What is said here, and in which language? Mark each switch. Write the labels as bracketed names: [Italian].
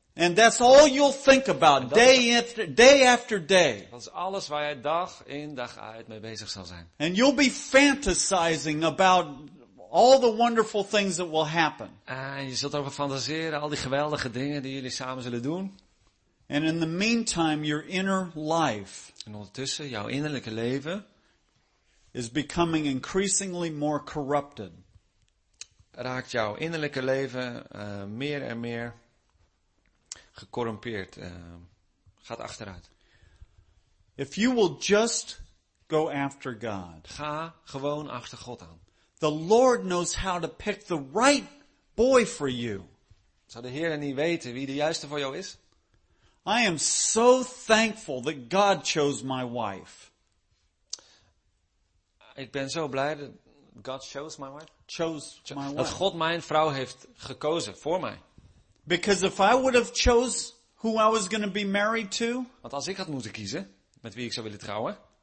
[English] And that's all you'll think about day after day after day. [Dutch] Dat is alles waar jij dag in dag uit mee bezig zal zijn. [English] And you'll be fantasizing about all the wonderful things that will happen. [Dutch] Je zult over fantaseren al die geweldige dingen die jullie samen zullen doen. [English] And in the meantime, your inner life. [Dutch] En ondertussen jouw innerlijke leven [English] is becoming increasingly more corrupted. [Dutch] Raakt jouw innerlijke leven meer en meer gecorrumpeerd, gaat achteruit. [English] If you will just go after God. [Dutch] Ga gewoon achter God aan. [English] The Lord knows how to pick the right boy for you. [Dutch] Zou de Heer niet weten wie de juiste voor jou is? [English] I am so thankful that God chose my wife. [Dutch] Ik ben zo blij dat God [English] chose my wife. Chose my wife. [Dutch] Dat God mijn vrouw heeft gekozen voor mij. [English] Because if I would have chose who I was going to be married to. [Dutch] Want als ik had moeten kiezen met wie ik zou willen trouwen.